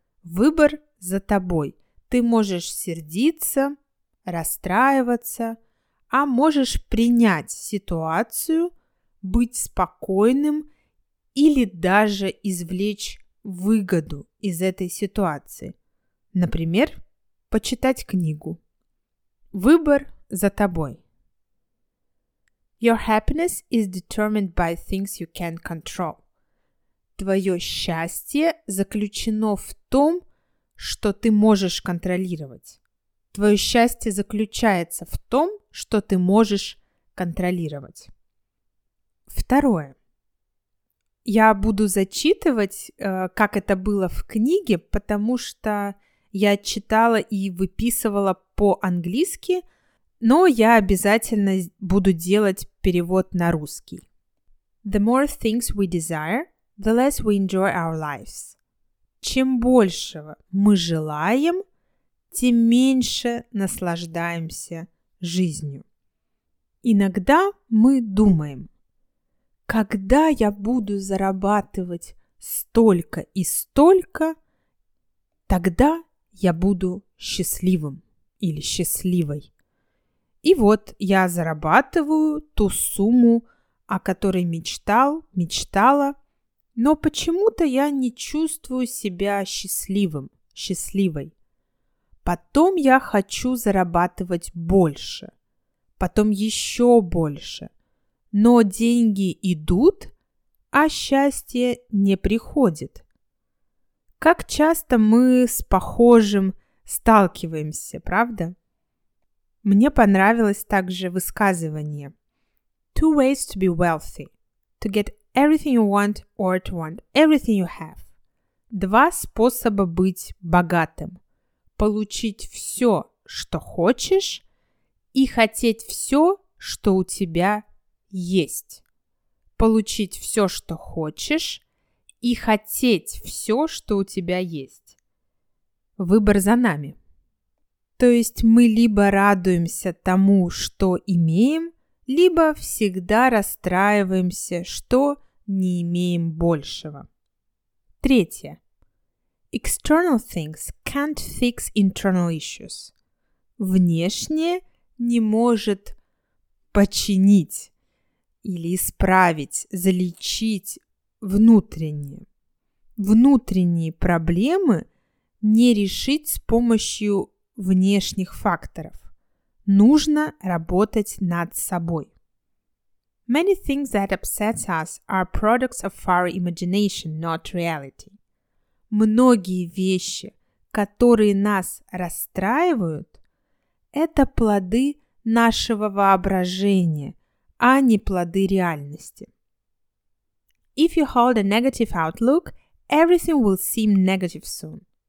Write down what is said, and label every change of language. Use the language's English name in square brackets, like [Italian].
[Russian] Выбор за тобой. Ты можешь сердиться, расстраиваться, а можешь принять ситуацию, быть спокойным или даже извлечь выгоду из этой ситуации. Например, почитать книгу. Выбор за тобой. [English] Your happiness is determined by things you can control. [Russian] Твое счастье заключено в том, что ты можешь контролировать. Твое счастье заключается в том, что ты можешь контролировать. Второе. Я буду зачитывать, как это было в книге, потому что я читала и выписывала по-английски, но я обязательно буду делать перевод на русский. [English] The more things we desire, the less we enjoy our lives. [Russian] Чем большего мы желаем, тем меньше наслаждаемся жизнью. Иногда мы думаем: когда я буду зарабатывать столько и столько, тогда я буду счастливым или счастливой. И вот я зарабатываю ту сумму, о которой мечтала, но почему-то я не чувствую себя счастливым, счастливой. Потом я хочу зарабатывать больше, потом еще больше. Но деньги идут, а счастье не приходит. Как часто мы с похожим сталкиваемся, правда? Мне понравилось также высказывание. [English] Two ways to be wealthy. To get everything you want or to want everything you have. [Russian] Два способа быть богатым. Получить все, что хочешь, и хотеть все, что у тебя есть. Получить все, что хочешь, и хотеть все, что у тебя есть. Выбор за нами. То есть мы либо радуемся тому, что имеем, либо всегда расстраиваемся, что не имеем большего. Третье. [English] External things can't fix internal issues. [Russian] Внешнее не может починить или исправить, залечить внутренние. Внутренние проблемы не решить с помощью внешних факторов. Нужно работать над собой. [English] Many things that upset us are products of our imagination, not reality. [Russian] Многие вещи, которые нас расстраивают, это плоды нашего воображения, а не плоды реальности. [English] If you hold a negative outlook, everything will seem negative soon.